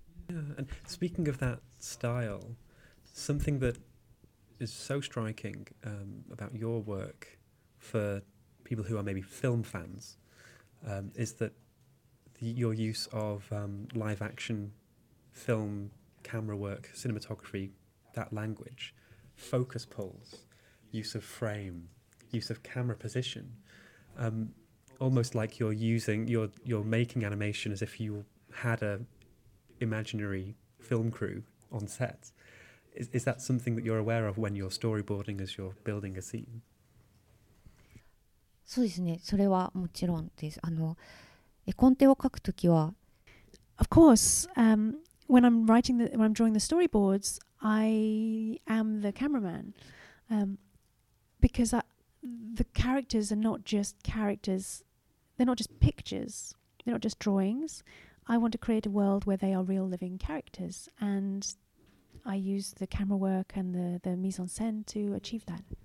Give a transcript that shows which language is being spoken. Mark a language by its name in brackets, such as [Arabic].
[English] Yeah, and speaking of that style, something that is so striking about your work for people who are maybe film fans is that your use of live action film camera work, cinematography, that language, focus pulls, use of frame, use of camera position. Almost like you're making animation as if you had a imaginary film crew on set. Is that something that you're aware of when you're storyboarding as you're building a scene? [Japanese] そうですね。それはもちろんです。あの、絵コンテを描くときは、 [English] Of course, when I'm drawing the storyboards, I am the cameraman. Because the characters are not just characters, they're not just pictures, they're not just drawings. I want to create a world where they are real living characters, and I use the camera work and the mise-en-scène to achieve that.